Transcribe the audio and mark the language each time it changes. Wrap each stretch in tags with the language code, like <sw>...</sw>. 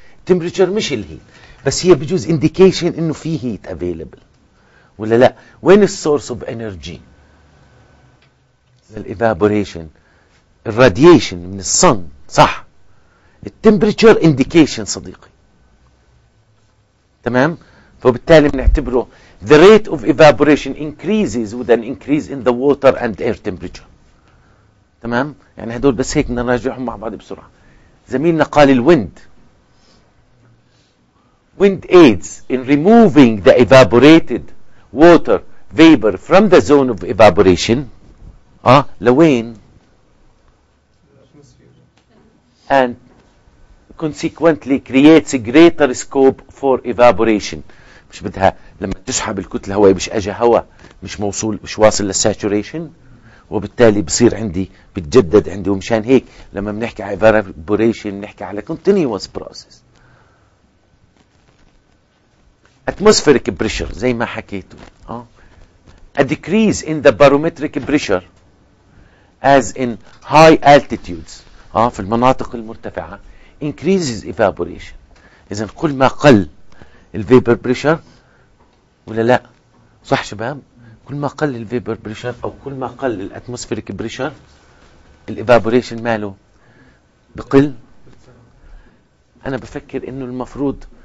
<ar>temperature مش الهيت بس هي بجوز indication إنه في heat available ولا لا. وين السورس of energy الإيفابوريشن؟ الراديشن من الصن. صح. التمبريتشر إنديكيشن صديقي. تمام؟ فبالتالي بنعتبره</ar> <en>the rate of evaporation increases with an increase in the water and air temperature.</en> <ar>تمام؟ يعني هدول بس هيك نراجعهم مع بعض بسرعة. زميلنا قال الويند.</ar> <en>Wind aids in removing the evaporated water vapor from the zone of evaporation.</en> <ar>لوين؟</ar> <en>and consequently creates a greater scope for evaporation.</en> <ar>مش بدها لما تسحب الكتلة الهوائية، مش اجى هواء مش موصول مش واصل للساتوريشن، وبالتالي بصير عندي بتجدد عندي. ومشان هيك لما بنحكي على evaporation بنحكي على</ar> <en>continuous process.</en> <ar>Atmospheric pressure زي ما حكيته.</ar> <en>A decrease in the barometric pressure as in high altitudes.</en> <ar>في المناطق المرتفعة</ar> <en>increases evaporation.</en> <ar>إذن كل ما قل الفيبر بريشر ولا لا؟ صح شباب؟ كل ما قل الفيبر بريشر أو كل ما قل الاتموسفيريك بريشر الإيفابوريشن ماله؟ بقل؟ أنا بفكر إنه المفروض</ar>